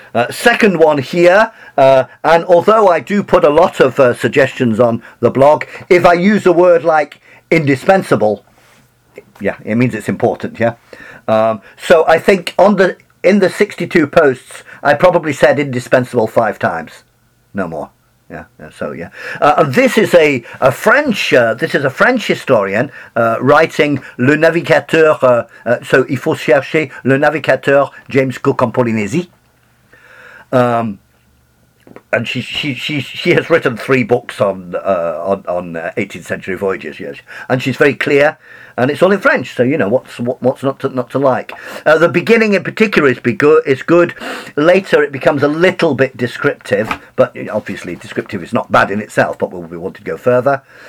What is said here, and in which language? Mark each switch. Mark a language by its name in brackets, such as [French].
[English] Second one here, and although I do put a lot of suggestions on the blog, if I use a word like indispensable, yeah, it means it's important, yeah? So I think in the 62 posts, I probably said indispensable 5 times, no more. Yeah. This is a French historian writing Le Navigateur. [French] So il faut chercher Le Navigateur James Cook en Polynésie. [English] And she has written 3 books on 18th century voyages. Yes, and she's very clear. And it's all in French, so you know what's not to like. The beginning in particular is good. Later it becomes a little bit descriptive, but obviously descriptive is not bad in itself, but we want to go further.